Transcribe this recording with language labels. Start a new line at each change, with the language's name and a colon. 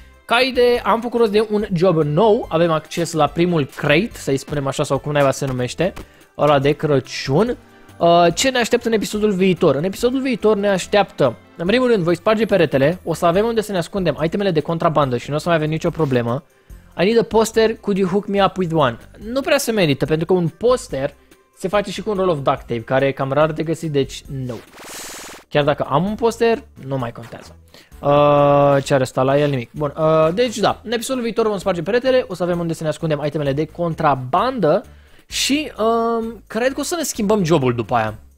Romanian: Ca idee, am făcut rost de un job nou, avem acces la primul crate, să-i spunem așa sau cum naiba se numește, ăla de Crăciun. Ce ne așteaptă în episodul viitor? În episodul viitor ne așteaptă, în primul rând, voi sparge peretele, o să avem unde să ne ascundem itemele de contrabandă și nu o să mai avem nicio problemă.
English: I need a poster, could you hook me up with one?
Romanian: Nu prea se merită, pentru că un poster se face și cu un roll of duct tape, care e cam rar de găsit, deci no. Chiar dacă am un poster, nu mai contează. Ce are stat la el? Nimic. Bun, deci da, în episodul viitor vom sparge peretele, o să avem unde să ne ascundem itemele de contrabandă și cred că o să ne schimbăm jobul după aia.